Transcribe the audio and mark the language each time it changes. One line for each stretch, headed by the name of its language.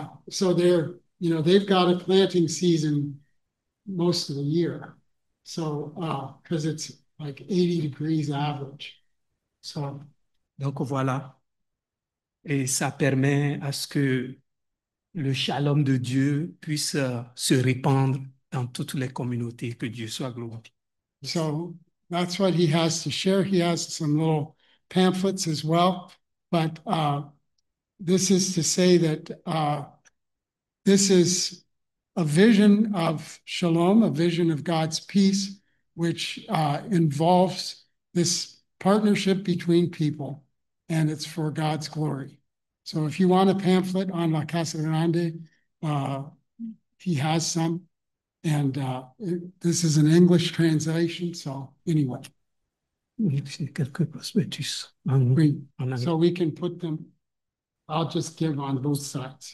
English: So they've got a planting season most of the year, because it's like 80 degrees average, so.
French: Donc voilà, et ça permet à ce que le shalom de Dieu puisse se répandre dans toutes les communautés, que Dieu soit glorifié.
English: So that's what he has to share. He has some little pamphlets as well, but this is to say that this is a vision of shalom, a vision of God's peace, which involves this partnership between people, and it's for God's glory. So if you want a pamphlet on La Casa Grande, he has some. And this is an English translation, so anyway.
French: C'est quelques prospectus en Oui, anglais.
English: so we can put them, I'll just give on both sides.